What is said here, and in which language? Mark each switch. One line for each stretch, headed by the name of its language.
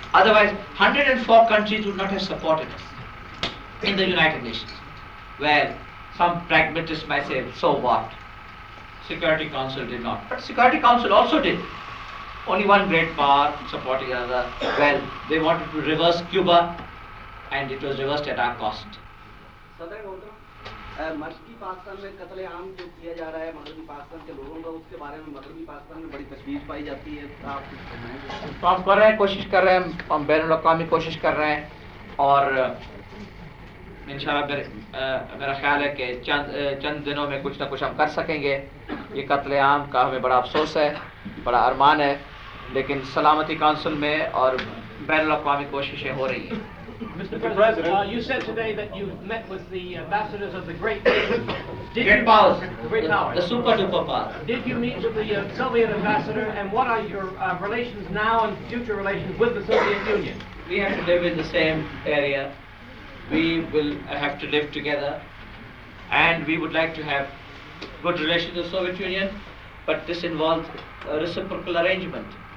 English: Otherwise, 104 countries would not have supported us in the United Nations. Well, some pragmatists might say, so what? Security Council did not. But Security Council also did. Only one great power supporting another. Well, they wanted to reverse Cuba, and it was reversed at our cost.
Urdu: مشرقی پاکستان میں قتل عام جو کیا جا رہا ہے مغربی پاکستان کے لوگوں کا اس کے بارے میں مغربی پاکستان میں بڑی تشویش پائی جاتی ہے آپ کام کر رہے ہیں کوشش کر رہے ہیں ہم بین الاقوامی کوشش کر رہے ہیں اور ان شاء اللہ میرا خیال ہے کہ چند دنوں میں کچھ نہ کچھ ہم کر سکیں گے یہ قتل عام کا ہمیں بڑا افسوس ہے بڑا ارمان ہے لیکن سلامتی کونسل میں اور بین الاقوامی کوششیں ہو رہی ہیں
English: Mr. President, you said today that you've met with the ambassadors of the great did great powers, great powers, the super duper powers. Did you meet with the Soviet ambassador, and what are your relations now and future relations with the Soviet Union? We have to live in the same area. We will have to live together, and we would like to have good relations with the Soviet Union, but this involves a reciprocal arrangement.